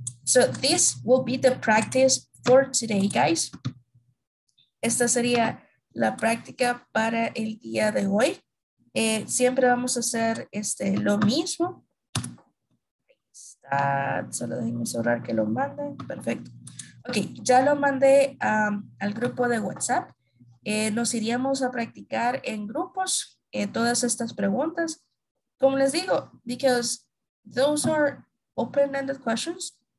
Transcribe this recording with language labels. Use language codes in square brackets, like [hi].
[en] So this will be the practice for today, guys. [es] Esta sería la práctica para el día de hoy. Siempre vamos a hacer lo mismo. Ahí está. Solo déjenme asegurar que lo manden. Perfecto. Ok, ya lo mandé al grupo de WhatsApp. Nos iríamos a practicar en grupos todas estas preguntas. Como les digo, [en] because those are open-ended questions.